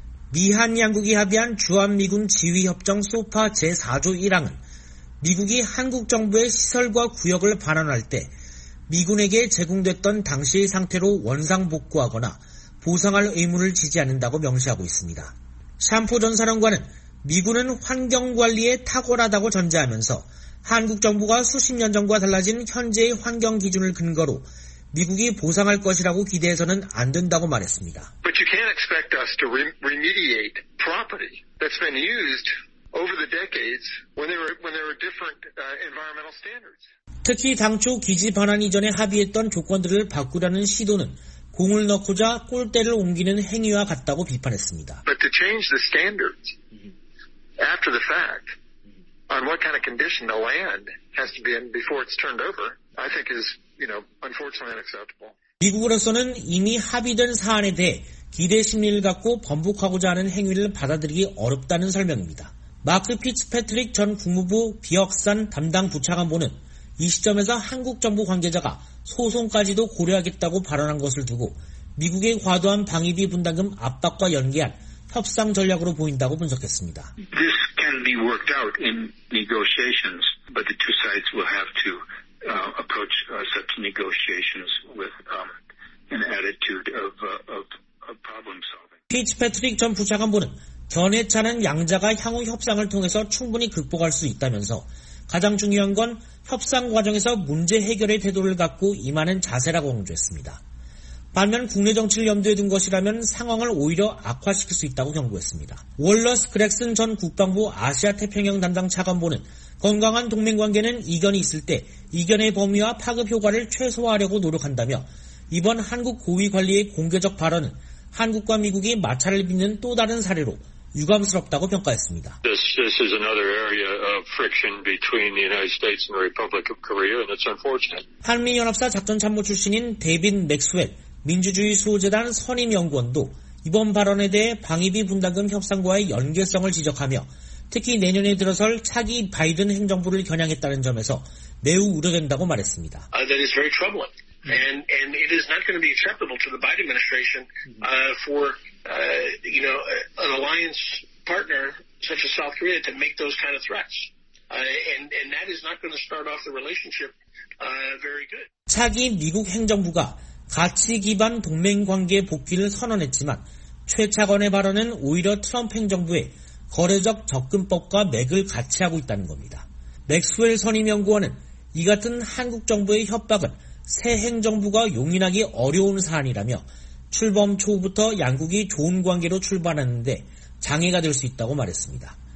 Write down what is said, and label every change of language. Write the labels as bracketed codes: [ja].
[ko] 미한 양국이 합의한 주한미군 지휘협정 소파 제4조 1항은 미국이 한국 정부의 시설과 구역을 반환할 때 미군에게 제공됐던 당시의 상태로 원상복구하거나 보상할 의무를 지지 않는다고 명시하고 있습니다. 샴포 전 사령관은 미군은 환경관리에 탁월하다고 전제하면서 한국 정부가 수십 년 전과 달라진 현재의 환경 기준을 근거로 미국이 보상할 것이라고 기대해서는 안 된다고 말했습니다. [en] But you can't expect us to remediate property that's been used over the decades when there were different environmental standards. [ko] 특히 당초 기지 반환 이전에 합의했던 조건들을 바꾸라는 시도는 공을 넣고자 꼴대를 옮기는 행위와 같다고 비판했습니다. [en] But to change the standards after the fact on what kind of condition the land has to be in before it's turned over, I think is, you know, unfortunately unacceptable. [ko] 미국으로서는 이미 합의된 사안에 대해 기대 심리를 갖고 번복하고자 하는 행위를 받아들이기 어렵다는 설명입니다. 마크 피츠패트릭 전 국무부 비확산 담당 부차관보는 이 시점에서 한국 정부 관계자가 소송까지도 고려하겠다고 발언한 것을 두고 미국의 과도한 방위비 분담금 압박과 연계한 협상 전략으로 보인다고 분석했습니다. [en] This can be worked out in negotiations, but the two sides will have to approach such negotiations with an attitude of problem solving. [ko] 피츠패트릭 전 부차관보는 견해 차는 양자가 향후 협상을 통해서 충분히 극복할 수 있다면서 가장 중요한 건 협상 과정에서 문제 해결의 태도를 갖고 임하는 자세라고 강조했습니다. 반면 국내 정치를 염두에 둔 것이라면 상황을 오히려 악화시킬 수 있다고 경고했습니다. 월러스 그렉슨 전 국방부 아시아 태평양 담당 차관보는 건강한 동맹관계는 이견이 있을 때 이견의 범위와 파급 효과를 최소화하려고 노력한다며 이번 한국 고위 관리의 공개적 발언은 한국과 미국이 마찰을 빚는 또 다른 사례로 유감스럽다고 평가했습니다. [en] This is another area of friction between the United States and the Republic of Korea, and it's unfortunate. [ko] 한미연합사 작전참모 출신인 데빈 맥스웰, 민주주의 수호재단 선임연구원도 이번 발언에 대해 방위비 분담금 협상과의 연계성을 지적하며 특히 내년에 들어설 차기 바이든 행정부를 겨냥했다는 점에서 매우 우려된다고 말했습니다. [en] That is very troubling. And it is not going to be acceptable to the Biden administration an alliance partner such as South Korea to make those kind of threats. And that is not going to start off the relationship very good. [ko] 차기 미국 행정부가 가치 기반 동맹 관계 복귀를 선언했지만 최 차관의 발언은 오히려 트럼프 행정부의 거래적 접근법과 맥을 같이 하고 있다는 겁니다. 맥스웰 선임연구원은 이 같은 한국 정부의 협박은 새 행정부가 용인하기 어려운 사안이라며 출범 초부터 양국이 좋은 관계로 출발하는데 장애가 될 수 있다고 말했습니다.